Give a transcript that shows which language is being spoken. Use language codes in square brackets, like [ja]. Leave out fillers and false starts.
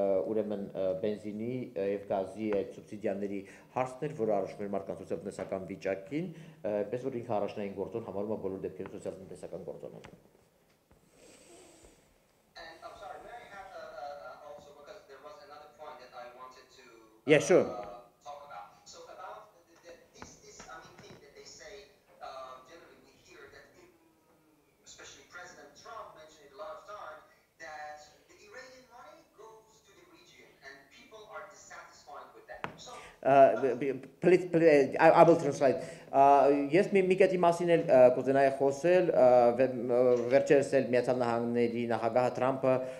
[hy] ուրեմն բենզինի եւ գազի այդ սուբսիդիաների հարցներ, որ առաջնում են մարդկանց սոցիալ-տնտեսական վիճակին, այնպես որ ինքը առաջնային գործոն համարում է բոլոր դեպքերում սոցիալ-տնտեսական գործոնը։ [en] Yeah, sure. Talk about. So about this I mean thing that they say, generally we hear that especially President Trump mentioned it a lot of times, that the Iranian money goes to the region and people are dissatisfied with that. So I will translate. [hy] Ես մի կետի մասին էլ կուզենայի խոսել, վերջերս էլ Միացյալ Նահանգների նախագահ Թրամփը